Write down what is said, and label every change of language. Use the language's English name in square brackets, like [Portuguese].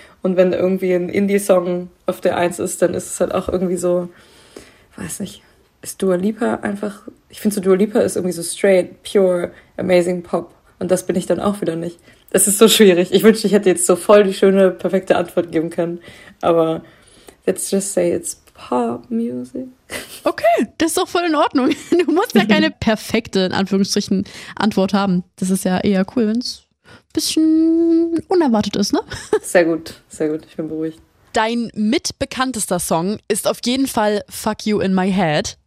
[German] Und wenn irgendwie ein Indie-Song auf der Eins ist, dann ist es halt auch irgendwie so, weiß nicht, ist Dua Lipa einfach, ich finde so Dua Lipa ist irgendwie so [English] straight, pure, amazing Pop. [German] Und das bin ich dann auch wieder nicht. Das ist so schwierig. Ich wünschte, ich hätte jetzt so voll die schöne, perfekte Antwort geben können. [English] Aber let's just say it's Pop-Music. [German] Okay, das ist doch voll in Ordnung. Du musst ja keine perfekte, in Anführungsstrichen, Antwort haben. Das ist ja eher cool, wenn es ein bisschen unerwartet ist, ne? Sehr gut, sehr gut. Ich bin beruhigt. Dein mitbekanntester Song ist auf jeden Fall Fuck You In My Head.